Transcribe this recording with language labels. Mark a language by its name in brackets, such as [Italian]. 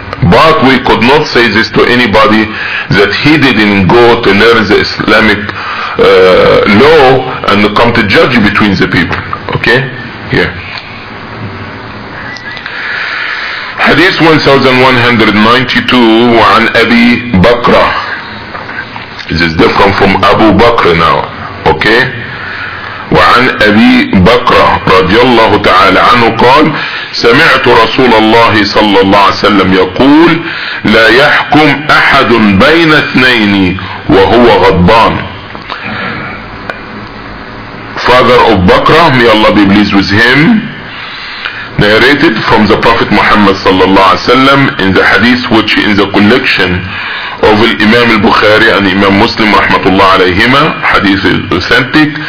[English] But we could not say this to anybody, that he didn't go to learn the Islamic law and come to judge between the people, okay? Yeah. [Arabic] حديث 1192 عن ابي بكر. [English] This is different from Abu Bakr now. Okay. [Arabic] وعن ابي بكر رضي الله تعالى عنه قال سمعت رسول الله صلى الله عليه وسلم يقول لا يحكم احد بين اثنين وهو غضبان. [English] Father of Bakr, may Allah be pleased with him, narrated from the Prophet Muhammad sallallahu alaihi wasallam in the hadith which in the collection of Imam al-Bukhari and Imam Muslim rahmatullah alayhima, hadith is authentic.